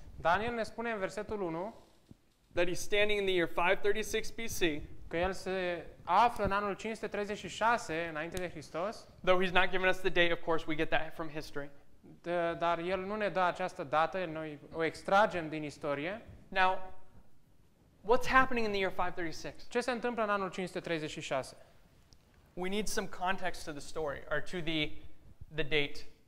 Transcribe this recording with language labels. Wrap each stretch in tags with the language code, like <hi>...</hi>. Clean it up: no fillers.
<ro>Daniel ne spune în versetul 1</ro> <en>that he's standing in the year 536 BC.</en> <ro>Că el se află în anul 536 înainte de Hristos.</ro> <en>Though he's not giving us the date, of course, we get that from history.</en> <ro>Dar el nu ne dă această dată, noi o extragem din istorie.</ro> <en>Now, what's happening in the year 536?</en> <ro>Ce se întâmplă în anul 536?</ro> <en>We need some context to the story or to the date.</en>